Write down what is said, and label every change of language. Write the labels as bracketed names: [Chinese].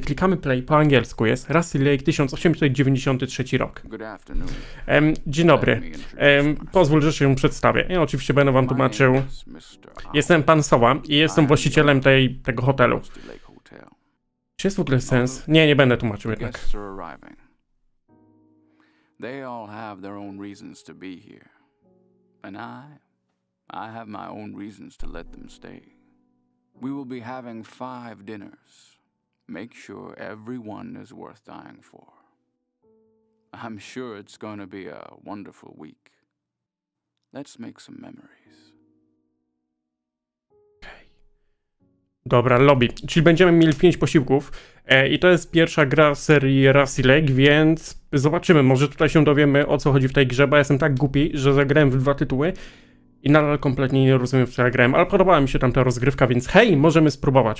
[Polish] Klikamy play, po angielsku jest Rusty Lake 1893 rok. Dzień dobry. Pozwól, że się przedstawię. Ja oczywiście będę wam tłumaczył. Jestem pan Sowa i jestem właścicielem tego hotelu. Czy jest w ogóle sens? Nie będę tłumaczył jednak. [English] They all have their own reasons to be here. And I have my own reasons to let them stay. We will be having 5 dinners. Make sure everyone is worth dying for. I'm sure it's going to be a wonderful week. Let's make some memories. [Polish] Dobra, lobby. Czyli będziemy mieli 5 posiłków i to jest pierwsza gra z serii Rusty Lake, więc zobaczymy, może tutaj się dowiemy, o co chodzi w tej grze, bo ja jestem tak głupi, że zagrałem w 2 tytuły i nadal kompletnie nie rozumiem, co ja grałem, ale podobała mi się tam ta rozgrywka, więc hej, możemy spróbować.